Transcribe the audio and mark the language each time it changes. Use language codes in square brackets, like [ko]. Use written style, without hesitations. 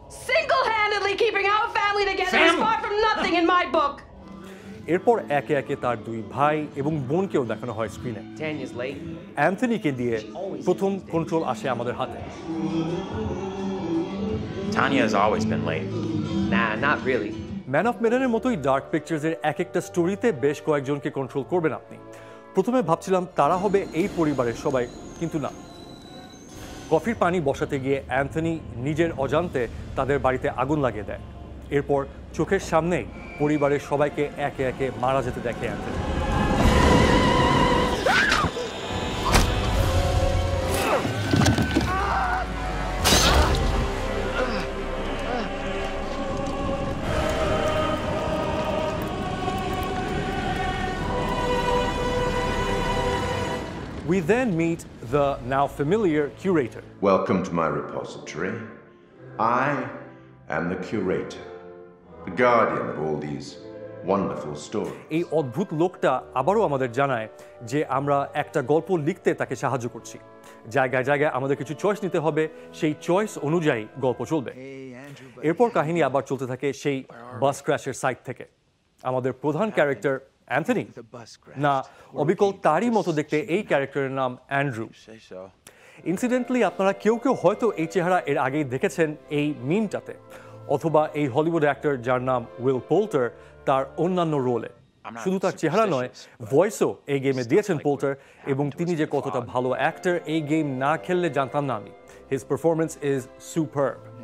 [en] Single-handedly keeping our family together is far from nothing in my book. [bn] এরপর একে একে তার দুই ভাই এবং বোনকেও দেখানো হয় স্ক্রিনে. অ্যান্থনিকে দিয়ে প্রথম কন্ট্রোল আসে আমাদের হাতে. [en] Tanya has always been late. Nah, not really. [bn] Man of Medan-এর মতোই Dark Pictures-এর এক একটা স্টোরিতে বেশ কয়েকজনকে কন্ট্রোল করবেন আপনি. প্রথমে ভাবছিলাম তারা হবে এই পরিবারের সবাই, কিন্তু না. কফির পানি বসাতে গিয়ে অ্যান্থনি নিজের অজান্তে তাদের বাড়িতে আগুন লাগিয়ে দেয় এরপর চোখের সামনেই পরিবারের সবাইকে একে একে মারা যেতে দেখে Anthony [en] We then meet the now familiar curator. Welcome to my repository. I am the curator, the guardian of all these wonderful stories. [bn] এই অদ্ভুত লোকটা আবারও আমাদের জানায় যে আমরা একটা গল্প লিখতে তাকে সাহায্য করছি। জায়গায় জায়গায় আমাদের কিছু চয়েস নিতে হবে, সেই চয়েস অনুযায়ী গল্প চলবে। এরপর কাহিনী আবার চলতে থাকে সেই বাস ক্র্যাশের সাইট থেকে। আমাদের প্রধান ক্যারেক্টার অ্যান্থনি না অবিকল তারই মতো দেখতে এই ক্যারেক্টারের নাম অ্যান্ড্রু ইনসিডেন্টলি আপনারা কেউ কেউ হয়তো এই চেহারা এর আগেই দেখেছেন এই মিমটাতে অথবা এই হলিউড অ্যাক্টর যার নাম উইল পোল্টার তার অন্যান্য রোলে শুধু তার চেহারা নয় ভয়েসও এই গেমে দিয়েছেন পোল্টার এবং তিনি যে কতটা ভালো অ্যাক্টর এই গেম না খেললে জানতাম না আমি [en] his performance is superb